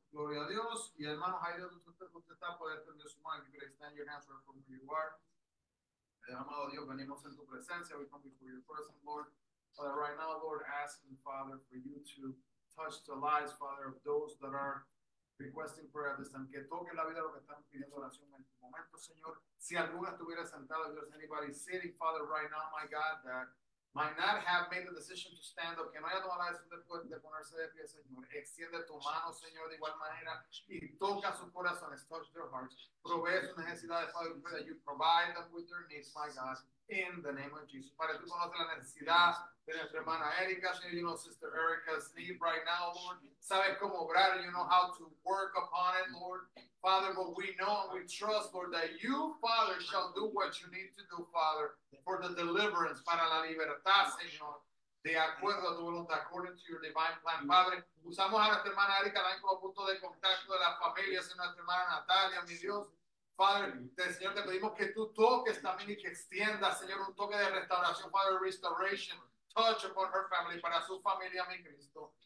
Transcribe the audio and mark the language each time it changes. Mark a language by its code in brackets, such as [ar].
[es] Gloria a Dios. Y hermanos, ahí donde usted está, puede extender su mano. [en] You could extend your hands right from where you are. [es] Amado Dios, venimos en tu presencia. [en] We come before your presence, Lord. Father, right now, Lord, asking, Father, for you to touch the lives, Father, of those that are requesting prayer at this time. [es] Que toque la vida de los que están pidiendo oración en este momento, Señor. Si alguna estuviera sentada, [en] if there's anybody sitting, Father, right now, my God, that might not have made the decision to stand up. [es] Que no haya tomado la decisión después de ponerse de pie, Señor. Extiende tu mano, Señor, de igual manera. Y toca sus corazones. [en] Touch their hearts. [es] Provee sus necesidades, Father. [en] Pray that you provide them with their needs, my God. In the name of Jesus. [es] Padre, tú conoces la necesidad de nuestra hermana Erika. [en] Señor, you know Sister Erika's need right now, Lord. [es] Sabes cómo obrar. [en] You know how to work upon it, Lord. Father, but we know and we trust, Lord, that you, Father, shall do what you need to do, Father, for the deliverance, [es] para la libertad, Señor, de acuerdo a tu voluntad, [en] according to your divine plan. [es] Padre, usamos a nuestra hermana Erika también como punto de contacto de las familias, en nuestra hermana Natalia, mi Dios. Padre, Señor, te pedimos que tú toques también y que extiendas, Señor, un toque de restauración, Padre, [en] restoration, touch upon her family, [es] para su familia, mi Cristo.